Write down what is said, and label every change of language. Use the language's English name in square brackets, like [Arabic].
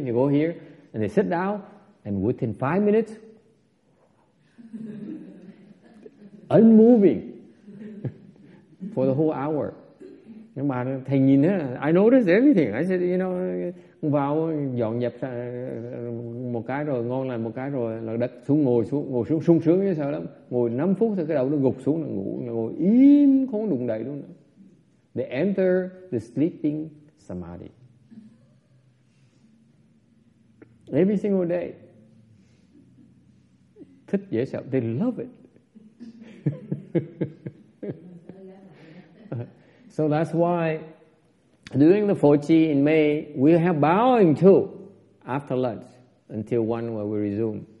[English] They go here and they sit down, and within 5 minutes, unmoving for the whole hour. [Vietnamese] Nhưng mà thầy nhìn á, [English] I noticed everything. I said, you know, [Vietnamese] vào dọn dẹp một cái rồi ngon lành một cái rồi là đất xuống ngồi xuống sung sướng như sao lắm. Ngồi 5 phút thì cái đầu nó gục xuống là ngủ, ngồi im không đụng đậy luôn. [English] They enter the sleeping samadhi every single day. [Vietnamese] Thích dễ sợ. [English] They love it. So that's why during the Phổ Chi in May, we have bowing too after lunch until 1 when we resume.